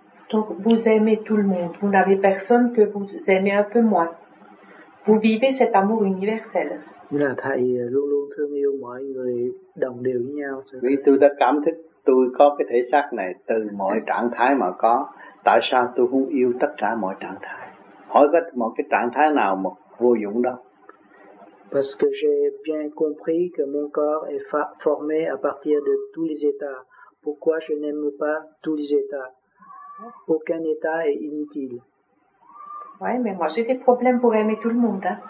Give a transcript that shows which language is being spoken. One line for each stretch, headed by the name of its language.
French: Donc vous aimez tout le monde, vous n'avez personne que vous aimez un peu moins. Vous vivez cet amour universel.
Vietnamese: Là, thầy luôn luôn thương yêu mọi người đồng đều với nhau. Vì tôi đã cảm thức tôi có cái thể xác này từ mọi trạng thái mà có. Tại sao tôi không yêu tất cả mọi trạng thái? Hỏi có một cái trạng thái nào mà vô dụng đâu?
French: Parce que j'ai bien compris que mon corps est formé à partir de tous les états. Pourquoi je n'aime pas tous les états? Aucun état est inutile. Ouais, mais moi j'ai des problèmes pour aimer tout le monde.